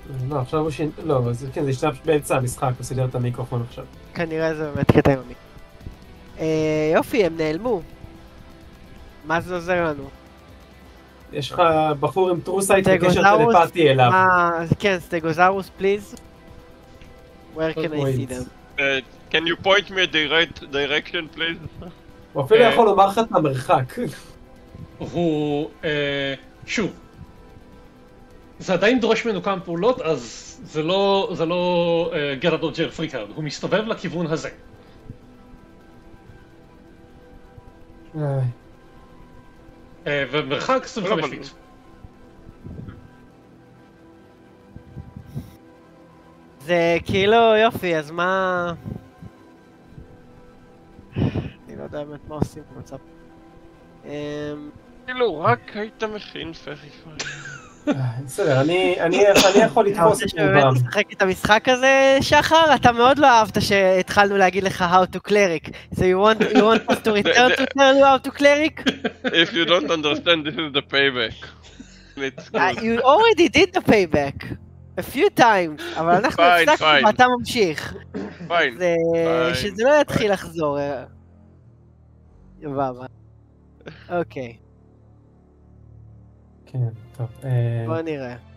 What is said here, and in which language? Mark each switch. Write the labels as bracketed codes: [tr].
[he] לא, עכשיו הוא ש... לא, כן, זה השתמש באמצע המשחק, הוא סידר את המיקרופון עכשיו. כנראה זה באמת קטע עם המיקרופון. יופי, הם נעלמו. מה זה עוזר לנו? יש לך בחור עם טרוסייט בקשר טלפתי אליו. [en] כן, סטגוזאורוס, פליז. Where can I see them? Can you point me a direct direction, please? [he] הוא אפילו יכול לומר לך את המרחק. הוא... שוב. זה עדיין דורש ממנו כמה פעולות, אז זה לא [en] get out of jail free card, [he] הוא מסתובב לכיוון הזה. ומרחק 25 [en] פיט. [he] זה כאילו יופי, אז מה... אני לא יודע באמת מה עושים במצב. כאילו רק היית מכין פרי פרי. בסדר, אני יכול לתפוס את מובם. אתה רוצה שבאמת משחק את המשחק הזה, שחר? אתה מאוד לא אהבת שהתחלנו להגיד לך [en] How to Cleric. So you want us to return to tell you How to Cleric? If you don't understand, this is the payback. You already did the payback. A few times. [he] אבל אנחנו הצלחנו ואתה ממשיך. [en] Fine. [he] שזה לא יתחיל לחזור. יבבה. אוקיי. כן. בוא נראה.